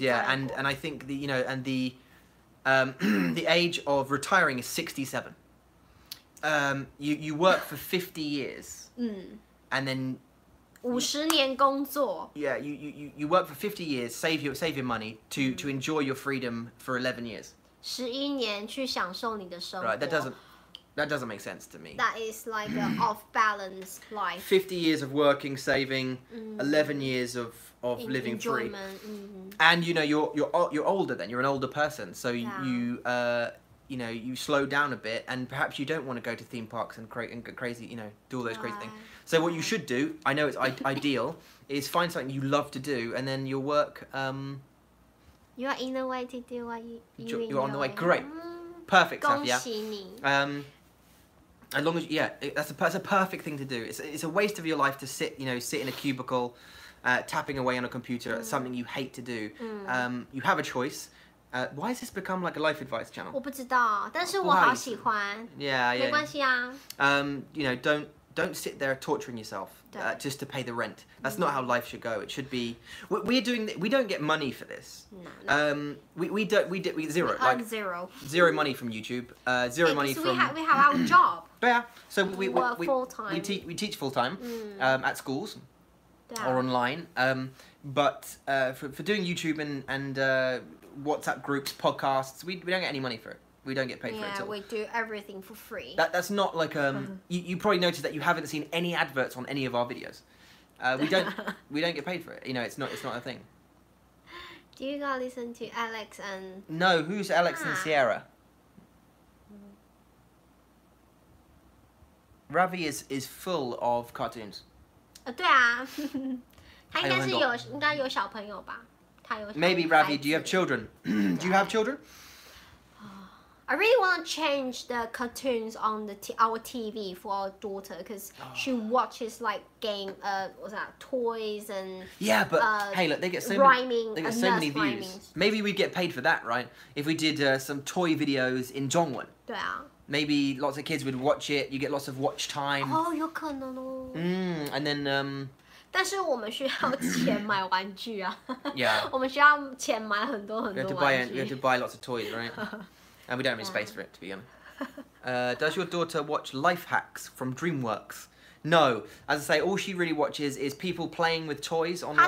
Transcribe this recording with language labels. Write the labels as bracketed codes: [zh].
[en] Yeah, and I think the you know and the the age of retiring is 67. You work for 50 years. 嗯。 And then. [zh] 五十年工作。 [en] Yeah, you work for 50 years, save your money to enjoy your freedom for 11 years. [zh] 十一年去享受你的生活。 [en] Right, that doesn't make sense to me. That is like an off-balance life. 50 years of working, saving, 11 years of living free. And you know, you're older then, you're an older person. So you slow down a bit and perhaps you don't want to go to theme parks and get crazy, you know, do all those crazy things. So what you should do, I know it's ideal, is find something you love to do and then your work... You are in the way to do what you enjoy. You're on the way, great. Perfect, Safia. [zh] 恭喜你。 [en] As long as, that's a perfect thing to do. It's a waste of your life to sit, you know, sit in a cubicle, tapping away on a computer, something you hate to do. You have a choice. Why has this become like a life advice channel? [zh] 我不知道，但是我好喜欢。 [en] Yeah. [zh] 没关系啊。 [en] You know, don't sit there torturing yourself just to pay the rent. That's not how life should go. It should be, we don't get money for this. No. We zero. Zero. Zero money from YouTube. Zero money from... We have our job. But yeah, so we work full-time. We teach full-time at schools or online. But for doing YouTube and WhatsApp groups, podcasts, we don't get any money for it. We don't get paid for it at all. Yeah, we do everything for free. That's not like... you probably noticed that you haven't seen any adverts on any of our videos. We don't get paid for it. You know, it's not a thing. Do you guys listen to Alex and... No, who's Alex and Sierra? Ravi is full of cartoons. [zh] 对啊，他应该是有，应该有小朋友吧？他有。 [en] Maybe Ravi, do you have children? Do you have children? I really want to change the cartoons on our TV for our daughter because she watches like game, what's that? Toys and yeah, but hey, look, they get so rhyming, they get so many views. Maybe we'd get paid for that, right? If we did some toy videos in Zhongwen. [zh] 对啊。 [en] Maybe lots of kids would watch it. You get lots of watch time. [zh] Oh, 有可能哦。 [en] And then... [zh] 但是我们需要钱买玩具啊。 [en] Yeah. [zh] 我们需要钱买很多很多玩具。 [en] We have to buy lots of toys, right? And we don't have any space for it, to be honest. Does your daughter watch Life Hacks from DreamWorks? No. As I say, all she really watches is people playing with toys online.